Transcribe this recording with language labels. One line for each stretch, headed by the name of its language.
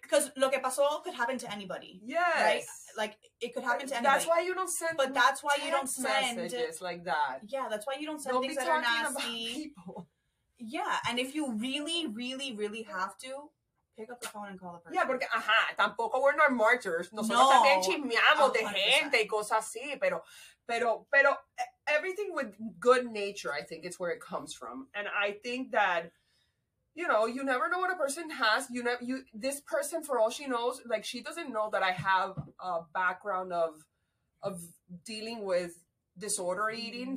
English: because
Spanish: lo que pasó
English: could happen to anybody. Yes. Right? Like, it could happen to anybody. That's why you don't send But that's why you don't send messages like that. Yeah, that's why you don't send things that are nasty. Don't be talking about people. Yeah, and if you really, really, really have to, pick up the phone and call the person. Yeah,
Spanish: porque, ajá, tampoco
English: we're not martyrs.
Spanish: Nosotros también chismeamos de gente y cosas así, pero...
English: Everything with good nature, I think, is where it comes from. And I think that, you know, you never know what a person has. This person, for all she knows, like, she doesn't know that I have a background of dealing with disorder eating.